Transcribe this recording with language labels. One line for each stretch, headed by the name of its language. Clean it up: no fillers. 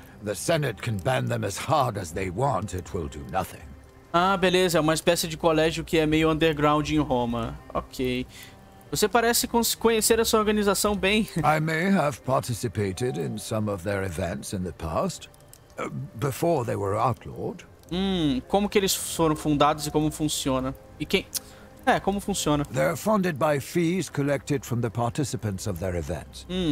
English: The Senate can ban them as hard as they want, it will do nothing.
Portuguese: Ah, beleza. É uma espécie de colégio que é meio underground em Roma. Ok. Você parece conhecer a sua organização bem.
English: I may have participated in some of their events in the past, before they were outlawed.
Portuguese: Como que eles foram fundados e como funciona? Como funciona?
English: They're funded by fees collected from the participants of their events.